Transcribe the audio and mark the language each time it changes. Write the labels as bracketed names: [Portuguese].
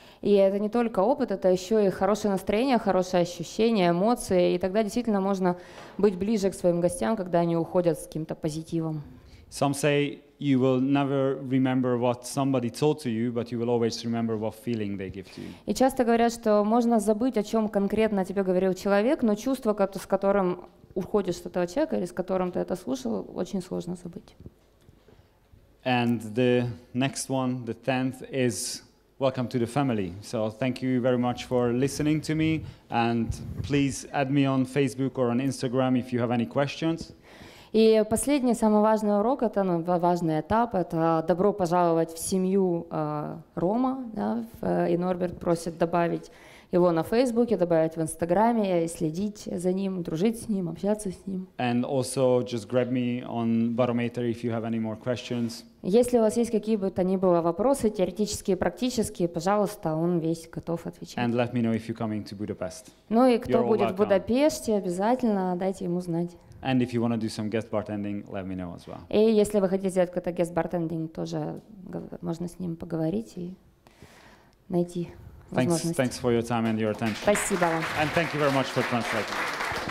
[Russian] И это не только опыт, это еще и хорошее настроение, хорошее ощущение, эмоции, и тогда действительно можно быть ближе к своим гостям, когда они уходят с каким-то позитивом. [English] Some say you will never remember what somebody told to you, but you will always remember what feeling they give to you. [Russian] И часто говорят, что можно забыть, о чем конкретно тебе говорил человек, но чувство, с которым уходишь от этого человека или с которым ты это слушал, очень сложно забыть. [English] And the next one, the 10th, is welcome to the family. So thank you very much for listening to me. And please add me on Facebook or on Instagram if you have any questions. [Russian] И последний, самый важный урок, это важный этап, это добро пожаловать в семью Рома. Да? И Норберт просит добавить его на Фейсбуке, добавить в Инстаграме, следить за ним, дружить с ним, общаться с ним. [English] And also just grab me on Barometer if you have any more questions. [Russian] Если у вас есть какие бы то ни было вопросы, теоретические, практические, пожалуйста, он весь готов отвечать. [English] And let me know if you're coming to Budapest. [Russian] Ну и кто [English] You're [Russian] будет [English] all welcome. [Russian] В Будапеште, обязательно дайте ему знать. [English] And if you want to do some guest bartending, let me know as well. [Russian] И если вы хотите сделать какой-то guest bartending, тоже можно с ним поговорить и найти возможность. [English] Thanks for your time and your attention. [Russian] Спасибо вам. [English] And thank you very much for translating.